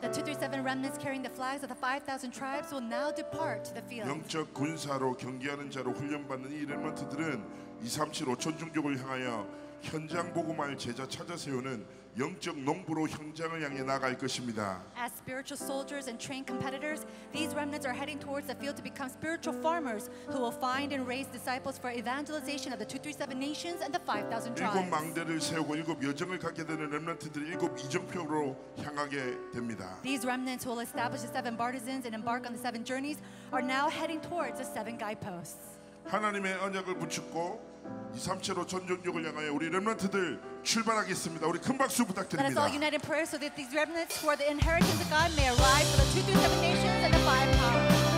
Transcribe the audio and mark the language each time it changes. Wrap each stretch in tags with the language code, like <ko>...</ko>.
<en>The 237 remnants carrying the flags of the 5,000 tribes will now depart to the field.</en> <ko>영적 군사로 경계하는 자로 훈련받는 이 렘넌트들은 237 5천 종족을 향하여 현장 복음할 제자 찾아 세우는 영적 농부로 현장을 향해 나갈 것입니다.</ko> <en>As spiritual soldiers and trained competitors, these remnants are heading towards the field to become spiritual farmers who will find and raise disciples for evangelization of the 237 nations and the 5,000 tribes.</en> <ko>일곱 망대를 세우고 일곱 여정을 갖게 되는 렘넌트들이 일곱 이정표로 향하게 됩니다.</ko> <en>These remnants who will establish the seven bartizans and embark on the seven journeys are now heading towards the seven guideposts.</en> <ko>하나님의 언약을 붙잡고 237 5천 종족을 향하여 우리 렘넌트들 출발하겠습니다. 우리 큰 박수 부탁드립니다.</ko> <en>Let us all unite in prayer so that these remnants who are the inheritance of God may arrive for the 237 nations and the five powers.</en>